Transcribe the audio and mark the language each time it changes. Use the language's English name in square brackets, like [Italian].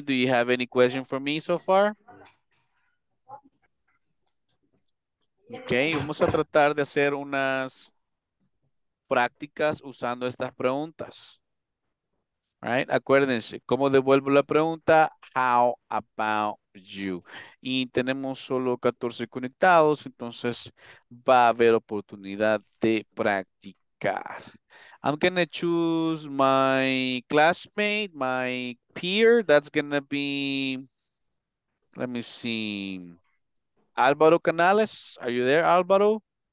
[English] Do you have any question for me so far? Okay. [Spanish] Vamos a tratar de hacer unas prácticas usando estas preguntas. [English] Right? [Spanish] Acuérdense, ¿cómo devuelvo la pregunta? [English] How about you? [Spanish] Y tenemos solo 14 conectados, entonces va a haber oportunidad de practicar. [English] I'm going to choose my classmate, my peer. That's going to be, let me see, Álvaro Canales. Are you there, Álvaro?